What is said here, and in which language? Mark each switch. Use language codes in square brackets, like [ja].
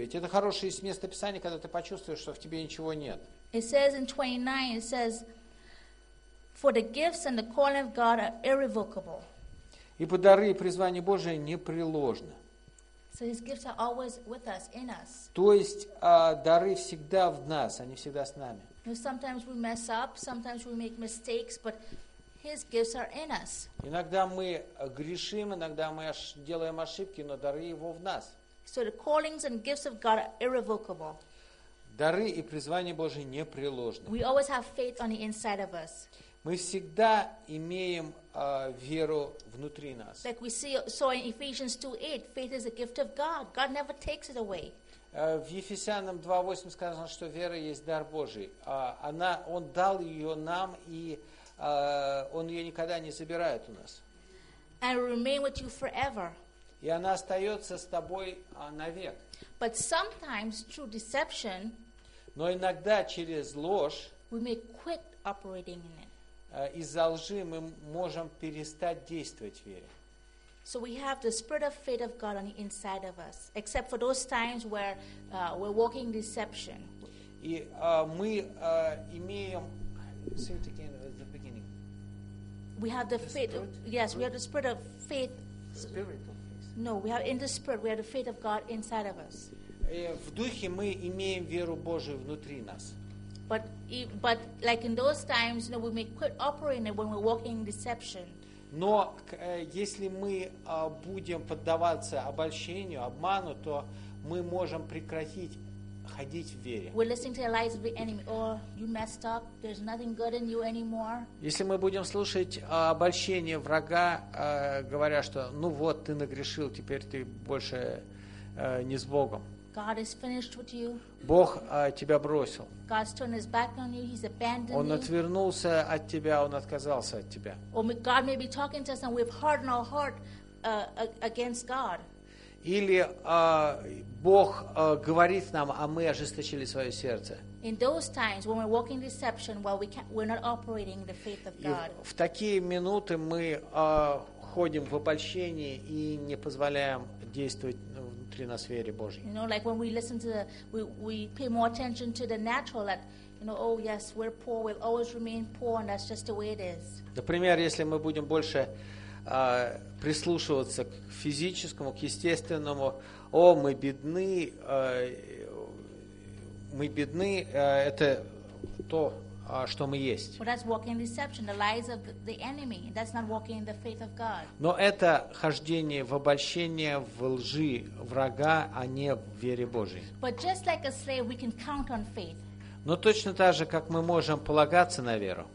[ru] Это хорошее место писания, когда ты почувствуешь, что в тебе ничего нет. [en] It says in 29, it says, for the gifts and the calling of God are irrevocable. [ru] Ибо дары и призвание Божие непреложны. [en] So his gifts are always with us, in us. [ru] То есть дары всегда в нас, они всегда с нами. [en] Sometimes we mess up, sometimes we make mistakes, but his gifts are in us. [ru] Иногда мы грешим, иногда мы делаем ошибки, но дары его в нас. [en] So the callings and gifts of God are irrevocable. [ru] Дары и призвание Божие непреложны. [en] We always have faith on the inside of us. [ru] Мы всегда имеем веру внутри нас. [en] Like we saw in Ephesians 2:8, faith is a gift of God. God never takes it away. [ru] В Ефесянам 2:8 сказано, что вера есть дар Божий. Он дал ее нам, и он ее никогда не забирает у нас. [en] And remain with you forever. [ru] И она остается с тобой навек. [en] But sometimes through deception, [ru] но иногда через ложь, [en] we may quit operating in it. [ru] Из-за лжи мы можем перестать действовать в вере. [en] So we have the spirit of faith of God on the inside of us, except for those times where we're walking in deception. [ru] И мы имеем... [en] Say it again at the beginning. We have the faith... Spirit? Yes, we have the spirit of faith... Spirit of faith. No, we have in the spirit, we have the faith of God inside of us. [ru] В духе мы имеем веру Божию внутри нас. [en] But But like in those times, you know, we may quit operating when we're walking in deception. [ru] Но если мы будем поддаваться обольщению, обману, то мы можем прекратить ходить в вере. [en] We're listening to the lies of the enemy. Oh, you messed up. There's nothing good in you anymore. [ru] Если мы будем слушать обольщение врага, говоря, что, ну вот, ты нагрешил, теперь ты больше не с Богом. [en] God is finished with you. [ru] Бог тебя бросил. [en] God's turned his back on you. He's abandoned you. [ru] Он отвернулся от тебя, он отказался от тебя. [en] Or God may be talking to us and we've hardened our heart against God. [ru] Или Бог говорит нам, а мы ожесточили свое сердце. [en] In those times when we're walking deception, while we're not operating the faith of God. [ru] В такие минуты мы ходим в обольщение и не позволяем действовать внутри нас вере Божьей. [en] You know, like when we listen to the, we pay more attention to the natural, that, you know, oh yes, we're poor, we'll always remain poor, and that's just the way it is. [ru] Например, если мы будем больше прислушиваться к физическому, к естественному, о, мы бедны, это то, что мы есть. [en] But that's walking in deception, the lies of the enemy. That's not walking in the faith of God. [ru] Но это хождение в обольщение, в лжи врага, а не в вере Божьей. [en] But just like a slave, we can count on faith. [ru] Но точно так же, как мы можем полагаться на веру.